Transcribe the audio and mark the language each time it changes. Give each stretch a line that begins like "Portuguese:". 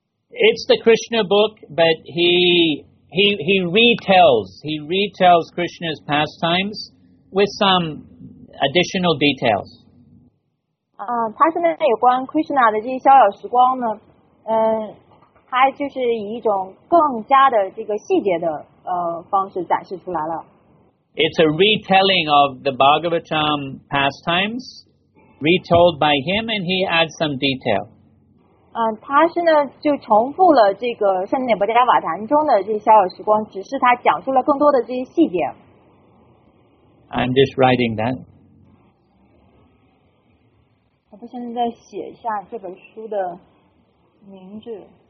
English: It's the Krishna book, but he retells Krishna's pastimes with some additional details.
Chinese: 他是那有关 Krishna 的这些逍遥时光呢，他就是以一种更加的这个细节的方式展示出来了。
English: It's a retelling of the Bhagavatam pastimes retold by him, and he adds some detail.
Chinese: 他是呢就重复了这个圣涅伯迦瓦坛中的这些逍遥时光，只是他讲述了更多的这些细节。
English: I'm just writing that.
Chinese: 我现在在写一下这本书的名字。